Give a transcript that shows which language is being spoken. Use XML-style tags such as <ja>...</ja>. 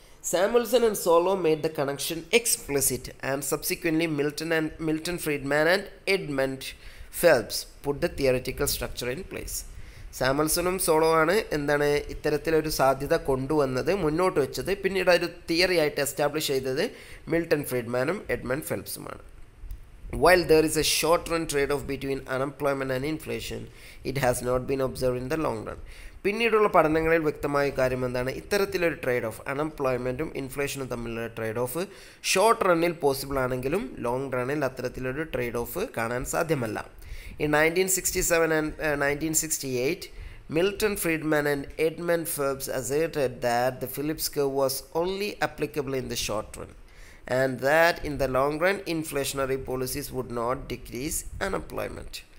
<en>Samuelson and Solow made the connection explicit and subsequently Milton Friedman and Edmund Phelps put the theoretical structure in place.</en> <ml>സാമുൽസണും solo ആണ് എന്താണ് ഇത്തരത്തിലൊരു സാധ്യത കൊണ്ടുവന്നത്, മുന്നോട്ട് വെച്ചത്, പിന്നീട് ഒരു തിയറി ആയിട്ട് എസ്റ്റാബ്ലിഷ് ചെയ്തത് Milton ഫ്രീഡ്മാനും Edmund ഫെൽപ്സുമാണ്.</ml> <en>While there is a short-run trade-off between unemployment and inflation, it has not been observed in the long run.</en> <ml>പിന്നീടുള്ള പഠനങ്ങളിൽ വ്യക്തമായ കാര്യം എന്താണ്, ഇത്തരത്തിലൊരു ട്രേഡ് ഓഫ് അൺഎംപ്ലോയ്മെൻറ്റും ഇൻഫ്ലേഷനും തമ്മിലുള്ള ട്രേഡ് ഓഫ് ഷോർട്ട് റണ്ണിൽ പോസിബിൾ ആണെങ്കിലും ലോങ് റണ്ണിൽ അത്തരത്തിലൊരു ട്രേഡ് ഓഫ് കാണാൻ സാധ്യമല്ല.</ml> <en>In 1967 and 1968, Milton Friedman and Edmund Phelps asserted that the Phillips curve was only applicable in the short run and that in the long run inflationary policies would not decrease unemployment.</en>